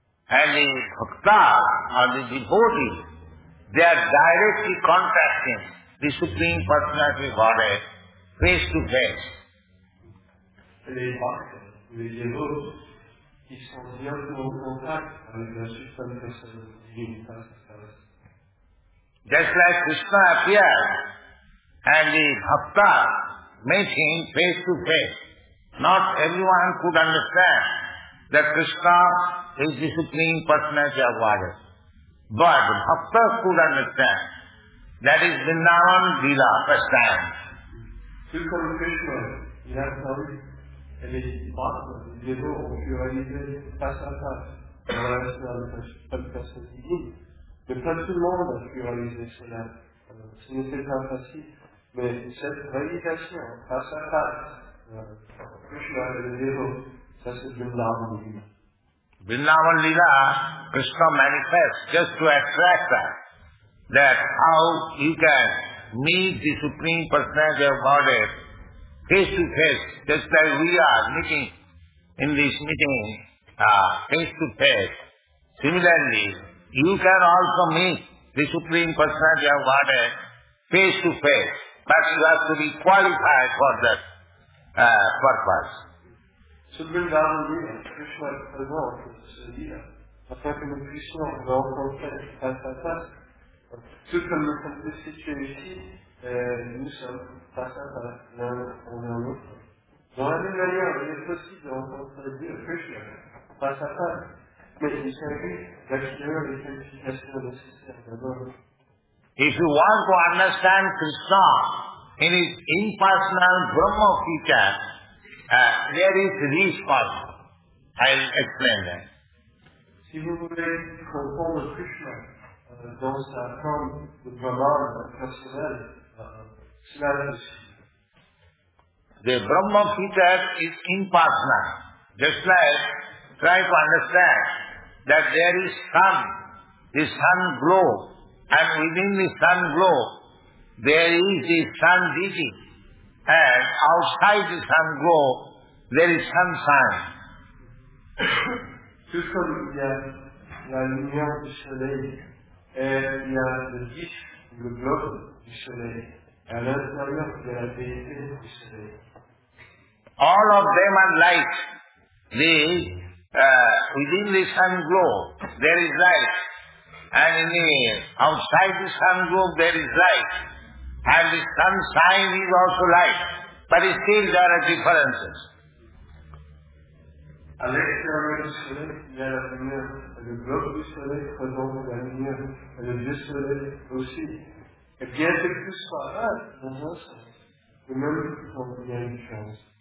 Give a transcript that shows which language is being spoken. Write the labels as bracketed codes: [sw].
[en] And the bhakta, or the devotee, they are directly contacting the Supreme Personality of Godhead, face to face. [fr] Les bhaktas, les devotes, qui sont directement en contact avec la suprême personne divine, face à face. [en] Just like Krishna appeared, and the bhaktas met him face to face. Not everyone could understand that Krishna is the Supreme Personality of Godhead. But bhaktas could understand. That is Vrindavan Leela, first time. [fr] Tout comme Krishna, il a parlé. Et les bhaktas, les dévots, ont pu réaliser face à face la relation avec la suprême personne divine. Mais pas tout le monde a pu réaliser cela. Ce n'était pas facile. Mais cette réalisation, face à face, Krishna est le héros. Ça, c'est Vrindavan Lila. [en] Vrindavan Lila, [fr] Krishna manifeste, [en] just to attract that, that how you can meet the Supreme Personality of Godhead face to face, just like we are meeting in this meeting, face to face. Similarly, you can also meet the Supreme Personality of Godhead face to face, but you have to be qualified for that purpose. So bring down the leader, Krishna present this idea, [fr] afin que nous puissions le rencontrer face à face. Tout comme nous sommes situés ici, nous sommes face à face l'un envers l'autre. Dans la même manière, il est possible de rencontrer Dieu, Krishna, face à face. Mais il s'agit d'acquérir les qualifications nécessaires d'abord. [en] If you want to understand Krishna in his impersonal Brahma feature, there is this problem. I'll explain that. [fr] Si vous voulez comprendre Krishna dans sa forme de Brahma personnel, cela est possible. [en] The Brahma feature is impersonal. Just like try to understand that there is sun, the sun glow. And within the sun glow, there is the sun deity. And outside the sun glow, there is sunshine. [fr] Tout comme il y a la lumière du soleil, et il y a le disque, le globe du soleil, à l'intérieur de la déité du soleil. [en] All of them are light. Within the sun glow, there is light. And in the outside the sun globe there is light, and the sun sign is also light, but still there are differences. [fr] À l'extérieur du soleil, il y a la lumière, le globe du soleil présente la lumière, et le vieux soleil aussi. Et bien que tout soit un, dans un sens, le même temps, il y a une différence.